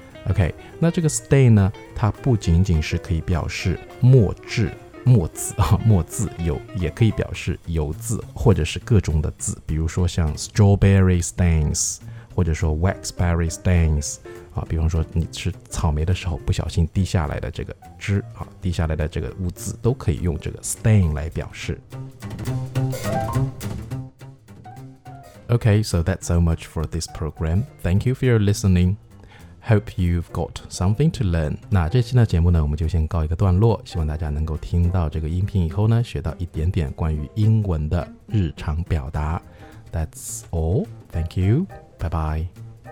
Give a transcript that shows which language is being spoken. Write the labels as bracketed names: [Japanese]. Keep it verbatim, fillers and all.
[Chinese] OK， 那这个 stain 呢，它不仅仅是可以表示墨渍墨字啊，墨字有也可以表示油渍或者是各种的字，比如说像 strawberry stains， 或者说 waxberry stains 啊，比方说你吃草莓的时候不小心滴下来的这个汁啊，滴下来的这个污渍都可以用这个 stain 来表示。 [English] Okay, so that's so much for this program. Thank you for your listening. Hope you've got something to learn. [Chinese] 那这期的节目呢，我们就先告一个段落。希望大家能够听到这个音频以后呢，学到一点点关于英文的日常表达。 [English] That's all. Thank you. Bye bye.